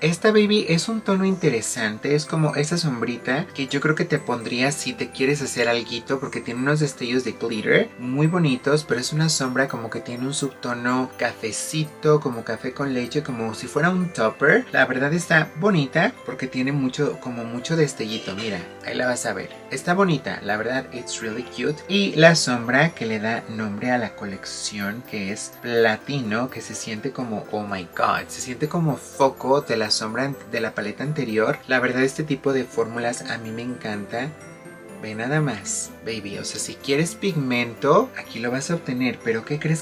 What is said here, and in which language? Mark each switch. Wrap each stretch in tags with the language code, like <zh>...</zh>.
<es>Esta, baby, es un tono interesante, es como esa sombrita que yo creo que te pondrías si te quieres hacer alguito, porque tiene unos destellos de glitter muy bonitos, pero es una sombra como que tiene un subtono cafecito, como café con leche, como si fuera un topper. La verdad está bonita porque tiene mucho, como mucho destellito, mira, ahí la vas a ver. Está bonita, la verdad,</es> <en>it's really cute.</en> <es>Y la sombra que le da nombre a la colección, que es Platinum, ¿no? Que se siente como,</es> <en>oh my god,</en> <es>se siente como foco de la sombra de la paleta anterior. La verdad, este tipo de fórmulas a mí me encanta. Ve nada más, baby, o sea, si quieres pigmento, aquí lo vas a obtener, pero ¿qué crees?</es>